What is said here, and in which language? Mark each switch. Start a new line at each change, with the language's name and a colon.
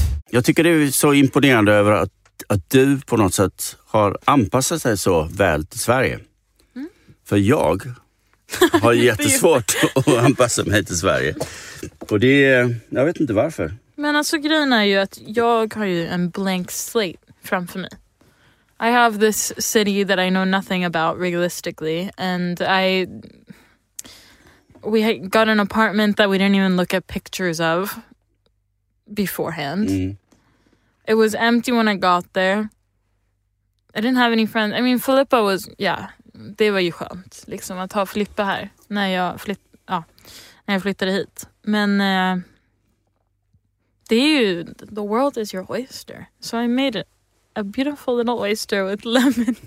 Swedish: Jag tycker det är så imponerande över att du på något sätt har anpassat dig så väl till Sverige. Mm. För jag har jättesvårt att anpassa mig till Sverige. Och det är, jag vet inte varför. Men alltså grejen är ju att jag har ju en blank slate framför mig.
English: I have this city that I know nothing about realistically, and we got an apartment that we didn't even look at pictures of beforehand. Mm. It was empty when I got there. I didn't have any friends. I mean, Filippa was, yeah,
Swedish: det var ju skönt liksom att ha Filippa här när jag flyttade hit. Men det är ju,
English: the world is your oyster. So I made it. A beautiful little oyster with lemon.